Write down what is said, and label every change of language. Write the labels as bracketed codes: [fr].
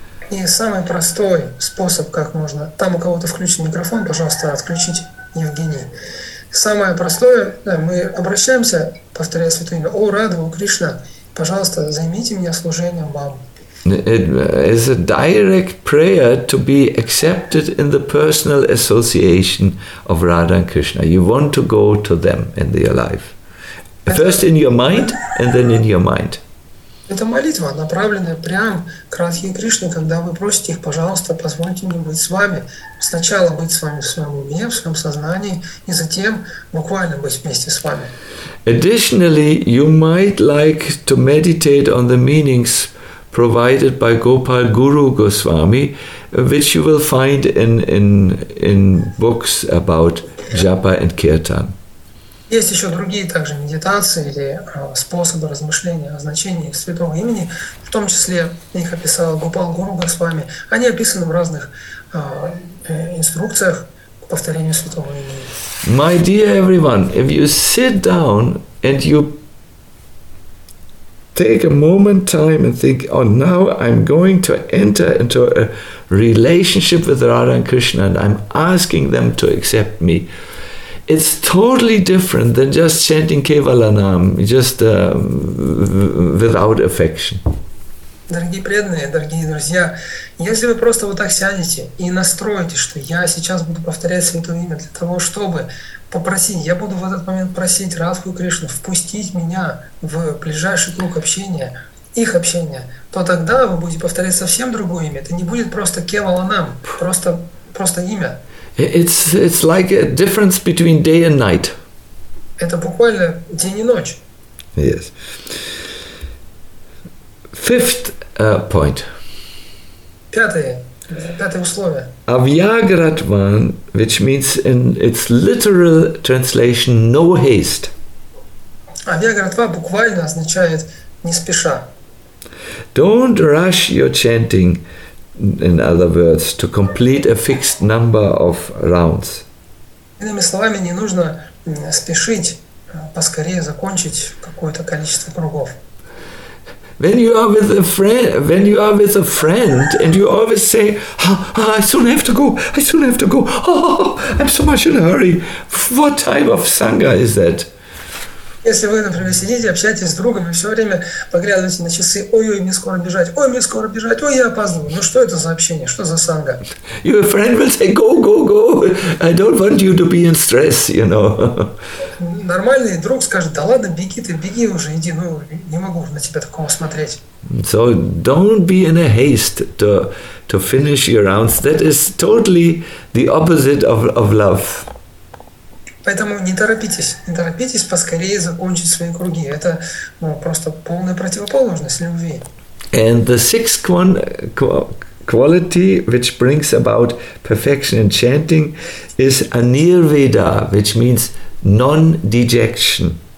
[ru] И самый простой способ, как можно, там у кого-то включен микрофон, пожалуйста, отключите, Евгений. Самое простое, да, мы обращаемся, повторяя святое имя, о, Радха, о, Кришна, пожалуйста, займите меня служением вам. [en] It is a direct prayer to be accepted in the personal association of Radha and Krishna. You want to go to them in your life. First in your mind, and then in your mind. [ru] Это молитва, направленная прямо к Радхе и Кришне, когда вы просите их, пожалуйста, позвольте мне быть с вами. Сначала быть с вами в своем уме, в своем сознании, и затем буквально быть вместе с вами. [en] Additionally, you might like to meditate on the meanings provided by Gopal Guru Goswami, which you will find in books about japa and kirtan. [ru] Есть еще другие также медитации или способы размышления о значении святого имени, в том числе их описал Гопал Гуру Госвами. Они описаны в разных инструкциях, повторению святого имени. [en] My dear everyone, if you sit down and you take a moment time and think, oh, now I'm going to enter into a relationship with Radha and Krishna and I'm asking them to accept me. It's totally different than just chanting Kevala Nam, just without affection. [ru] Дорогие преданные, дорогие друзья, если вы просто вот так сядете и настроите, что я сейчас буду повторять Святое Имя для того, чтобы попросить, я буду в этот момент просить Радху и Кришну впустить меня в ближайший круг общения, их общения, то тогда вы будете повторять совсем другое имя. Это не будет просто Кевала Нам, просто имя. [en] It's like a difference between day and night. [ru] Это буквально день и ночь. [en] Yes. Fifth point. [ru] Пятое условие. [en] Avyagratvan, which means in its literal translation, no haste. [ru] Avyagratva буквально означает не спеша. [en] Don't rush your chanting, in other words, to complete a fixed number of rounds. [ru] Иными словами, не нужно спешить поскорее закончить какое-то количество кругов. [en] When you are with a friend, and you always say, I soon have to go, I'm so much in a hurry. What type of sangha is that? [ru] Если вы, например, сидите, общаетесь с другом, и все время поглядываете на часы, ой-ой, мне скоро бежать, ой, я опаздываю. Ну что это за общение, что за санга? [en] Your friend will say, go, I don't want you to be in stress, you know. [ru] Нормальный друг скажет, да ладно, беги ты, беги уже, иди, ну не могу на тебя такого смотреть. [en] So don't be in a haste to finish your rounds. That is totally the opposite of love. [ru] Поэтому не торопитесь поскорее закончить свои круги. Это просто полная противоположность любви. [en] And the sixth one quality, which brings about perfection in chanting, is anirveda, which means non-dejection.